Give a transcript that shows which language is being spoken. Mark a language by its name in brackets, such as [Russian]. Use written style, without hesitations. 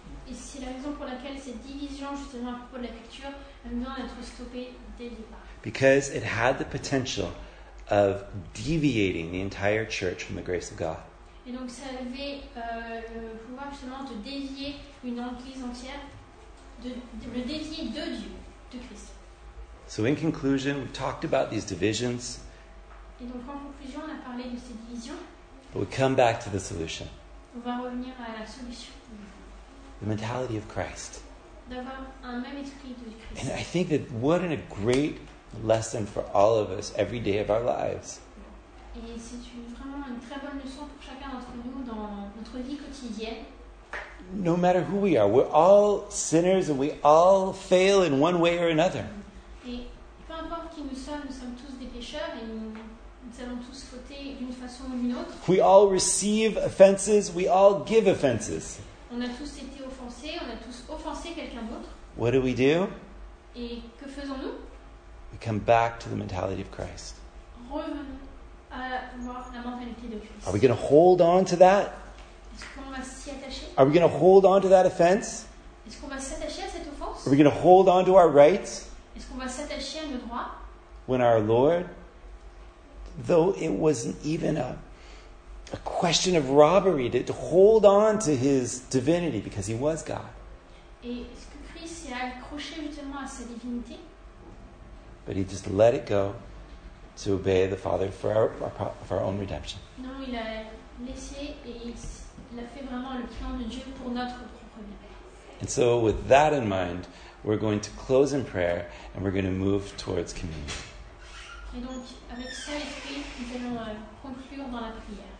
[French] Et c'est la raison pour laquelle cette division justement à propos de la culture a besoin d'être stoppée dès le départ. [English] Because it had the potential of deviating the entire church from the grace of God. [French] Et donc ça avait le pouvoir justement de dévier une église entière, de dévier de Dieu, de Christ. [English] So in conclusion, we talked about these divisions. [French] Et donc en conclusion, on a parlé de ces divisions. [English] But we come back to the solution. [French] On va revenir à la solution. [English] The mentality of Christ. [French] D'avoir un même esprit de Christ. [English] And I think that what a great lesson for all of us every day of our lives. [French] Et c'est vraiment une très bonne leçon pour chacun d'entre nous dans notre vie quotidienne. [English] No matter who we are, we're all sinners and we all fail in one way or another. [French] Et peu importe qui nous sommes tous des pécheurs et nous allons tous fauter d'une façon ou d'une autre. [English] We all receive offenses, we all give offenses. [French] On a tous été offensés, on a tous offensé quelqu'un d'autre. [English] What do we do? [French] Et que faisons-nous? [English] We come back to the mentality of Christ. [French] Revenons à la mentalité de Christ. [English] Are we going to hold on to that? [French] Est-ce qu'on va s'y attacher? [English] Are we going to hold on to that offense? [French] Est-ce qu'on va s'attacher à cette offense? [English] Are we going to hold on to our rights? [French] Est-ce qu'on va s'attacher à nos droits? [English] When our Lord, though it wasn't even a question of robbery, to hold on to his divinity because he was God. [French] Et est-ce que Christ s'est accroché justement à sa divinité? [English] But he just let it go to obey the Father for our own redemption. [French] Non, il a laissé et il a fait vraiment le plan de Dieu pour notre propre bien. [English] And so with that in mind, we're going to close in prayer and we're going to move towards communion. [French] Et donc, avec ça, nous allons conclure dans la prière.